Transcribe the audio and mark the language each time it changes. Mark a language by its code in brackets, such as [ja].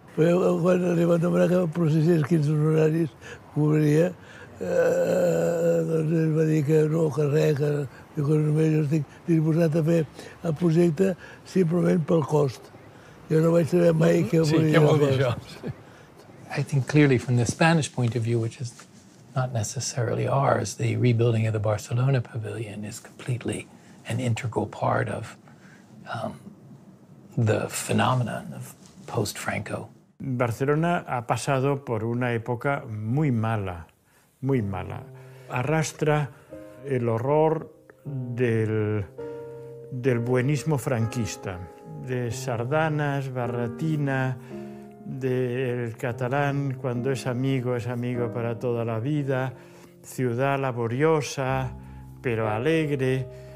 [ca] Però quan li van demanar que processés quins honoraris cobraria, doncs ell va dir que no, que res, que només jo estic disposat a fer el projecte simplement pel cost. Jo no vaig saber mai què volia. Sí, què vol dir això? [en] I think clearly from the Spanish point of view, which is not necessarily ours, the rebuilding of the Barcelona Pavilion is completely an integral part of the phenomenon of post-Franco. [es] Barcelona ha pasado por una época muy mala, muy mala. Arrastra el horror del buenismo franquista, de sardanas, barretina, del catalán, cuando es amigo para toda la vida, ciudad laboriosa, pero alegre.